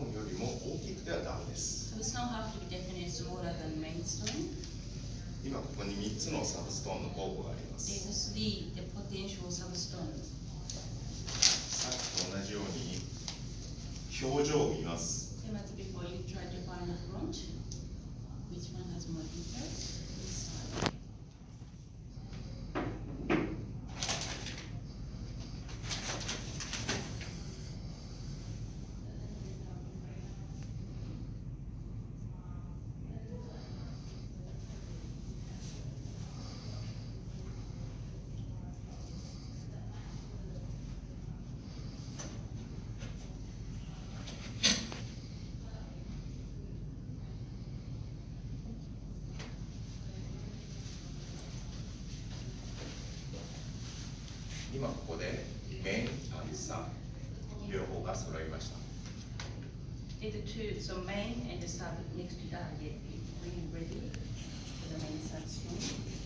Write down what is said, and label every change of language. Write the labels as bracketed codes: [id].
[en] somehow have to be definitely smaller than main stone? [ja] 今ここに3つのサブストーンの候補があります。 [en] There are three the potential substones. [ja] さっきと同じように表情を見ます。 [en] So much before you try to find the front, which one has more details? [ja] 今ここで、メン、アリサ、両方が揃いました。 [en] The two, so main and the sub next to that, get really ready for the main substone.